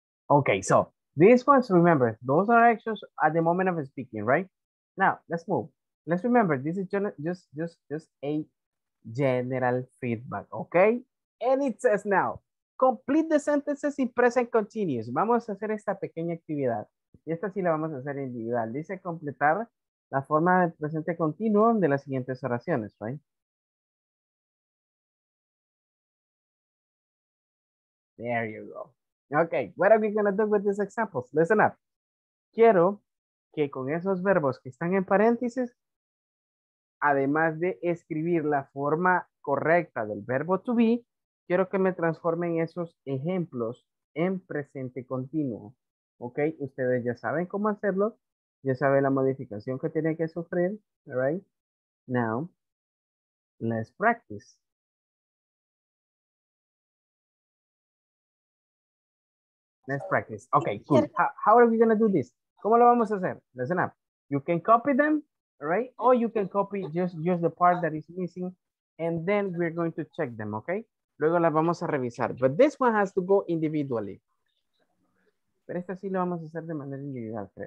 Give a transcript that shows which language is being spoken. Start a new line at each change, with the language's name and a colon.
English: Okay, so these ones, remember, those are actions at the moment of speaking, right? Now, let's move. Let's remember, this is just a general feedback, okay? And it says now, complete the sentences in present continuous.
Spanish: Vamos a hacer esta pequeña actividad. Y esta sí la vamos a hacer individual. Dice completar la forma del presente continuo de las siguientes oraciones, right?
English: There you go. Okay, what are we going to do with these examples? Listen up.
Spanish: Quiero que con esos verbos que están en paréntesis, además de escribir la forma correcta del verbo to be, quiero que me transformen esos ejemplos en presente continuo. Ok, ustedes ya saben cómo hacerlo. Ya saben la modificación que tiene que sufrir.
English: All right. Now, let's practice. Let's practice. Okay, cool. How are we going to do this?
Spanish: ¿Cómo lo vamos a hacer?
English: Listen up. You can copy them, right? Or you can copy just the part that is missing. And then we're going to check them, okay?
Spanish: Luego las vamos a revisar.
English: But this one has to go individually.
Spanish: Pero esta sí lo vamos a hacer de manera individual.